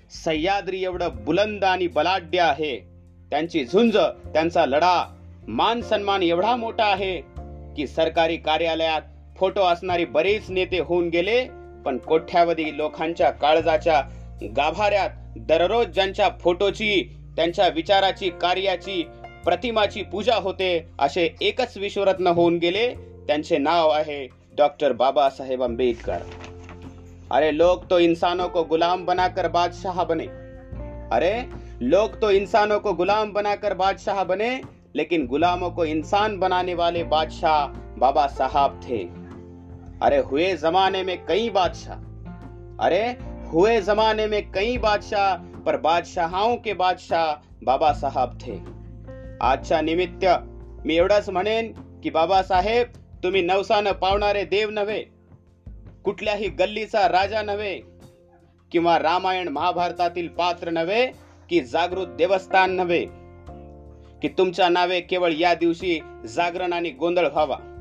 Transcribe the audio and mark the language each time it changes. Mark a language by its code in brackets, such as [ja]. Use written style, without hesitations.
[mr] सह्याद्री एवढं बुलंद आणि बलाढ्य आहे। त्यांची झुंज, त्यांचा लढा, मान सन्मान एवढा मोठा आहे की सरकारी कार्यालयात फोटो असणारी बरेच नेते होऊन गेले, पण कोट्यावधी लोकांच्या काळजाच्या गाभाऱ्यात दररोज ज्यांच्या फोटोची, त्यांच्या विचाराची, कार्याची, प्रतिमाची पूजा होते असे एकच विश्वरत्न होऊन गेले, त्यांचे नाव आहे डॉक्टर बाबासाहेब आंबेडकर। [hi] अरे लोक तो इंसानों को गुलाम बनाकर बादशाह बने, अरे लोक तो इंसानों को गुलाम बनाकर बादशाह बने, लेकिन गुलामों को इंसान बनाने वाले बादशाह बाबा साहब थे। अरे हुए जमाने में कई बादशाह, अरे हुए जमाने में कई बादशाह, पर बादशाहों के बादशाह बाबा साहब थे। [mr] आजच्या निमित्त मी एवढंच म्हणेन की बाबा साहेब तुम्ही नवसानं पावणारे देव नव्हे, कुठल्याही गल्लीचा राजा नव्हे, किंवा रामायण महाभारतातील पात्र नव्हे, की जागृत देवस्थान नव्हे, की तुमच्या नावे केवळ या दिवशी जागरण आणि गोंधळ व्हावा।